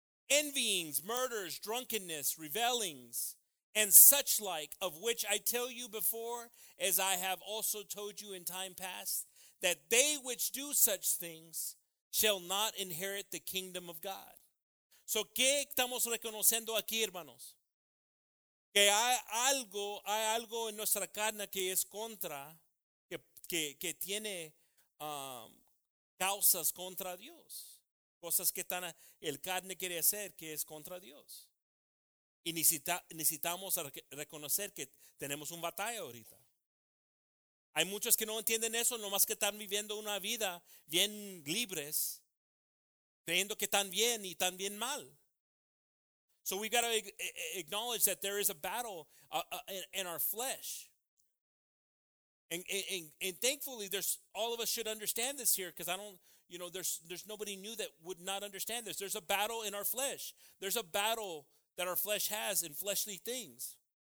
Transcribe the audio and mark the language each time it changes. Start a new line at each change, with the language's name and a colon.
English: envyings, murders, drunkenness, revelings, and such like, of which I tell you before, as I have also told you in time past, that they which do such things shall not inherit the kingdom of God.
Spanish: So, ¿qué estamos reconociendo aquí, hermanos? Que hay algo en nuestra carne que es contra, que tiene causas contra Dios. Cosas que están, el carne quiere hacer que es contra Dios. Y necesitamos reconocer que tenemos un batalla ahorita. Hay muchos que no entienden eso, nomás que están viviendo una vida bien libres. creyendo que están bien y están bien mal.
English: So we've got to acknowledge that there is a battle in our flesh. And thankfully, there's all of us should understand this here, because I don't, you know, there's nobody new that would not understand this. There's a battle in our flesh. There's a battle that our flesh has in fleshly things.